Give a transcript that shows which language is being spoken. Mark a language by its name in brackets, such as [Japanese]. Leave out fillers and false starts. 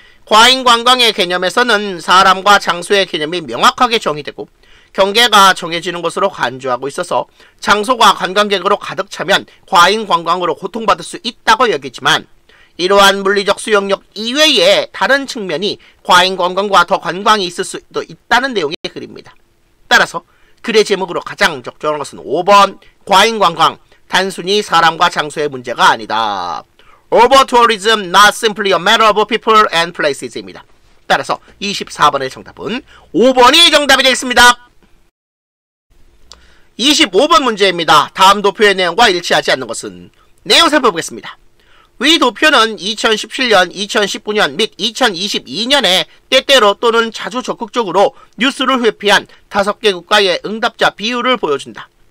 [Korean] 과잉 관광의 개념에서는 사람과 장소의 개념이 명확하게 정의되고 경계가 정해지는 것으로 간주하고 있어서 장소가 관광객으로 가득 차면 과잉 관광으로 고통받을 수 있다고 여기지만 이러한 물리적 수용력 이외의 다른 측면이 과잉 관광과 더 관광이 있을 수도 있다는 내용의 글입니다. 따라서 글의 제목으로 가장 적절한 것은 5번 과잉 관광 단순히 사람과 장소의 문제가 아니다. [English] Overtourism not simply a matter of people and places 입니다. [Korean] 따라서 24번의 정답은 5번이 정답이 되겠습니다. 25번 문제입니다. 다음 도표의 내용과 일치하지 않는 것은 내용 살펴보겠습니다. 위 도표는 2017년, 2019년 및 2022년에 때때로 또는 자주 적극적으로 뉴스를 회피한 5개 국가의 응답자 비율을 보여준다.